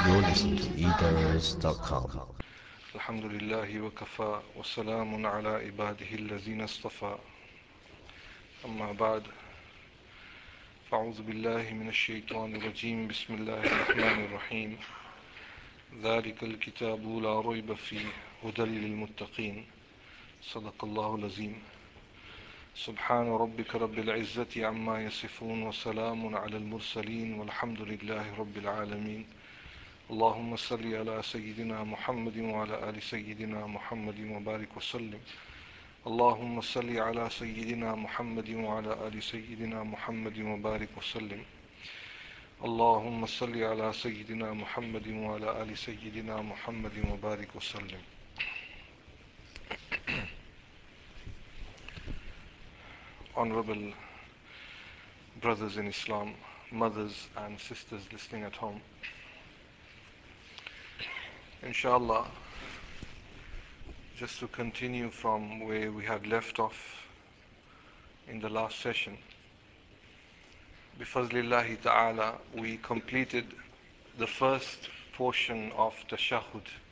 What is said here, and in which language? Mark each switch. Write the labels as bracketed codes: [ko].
[en] You're listening to eDirus.com. [ar] الحمد لله وكفى وسلام على عباده الذين اصطفى. أما بعد، فأعوذ بالله من الشيطان الرجيم. بسم الله الرحمن الرحيم. ذلك الكتاب لا ريب فيه هدى للمتقين. صدق الله العظيم. سبحان ربك رب العزة عما يصفون وسلام على المرسلين والحمد لله رب العالمين. اللهم صل على سيدنا محمد وعلى آل سيدنا محمد وبارك وسلم. اللهم صل على سيدنا محمد وعلى آل سيدنا محمد وبارك وسلم. اللهم صل على سيدنا محمد وعلى آل سيدنا محمد وبارك وسلم. [en] Honorable brothers in Islam, mothers and sisters listening at home, inshallah, just to continue from where we had left off in the last session, bifazlillahi ta'ala, we completed the first portion of tashahhud.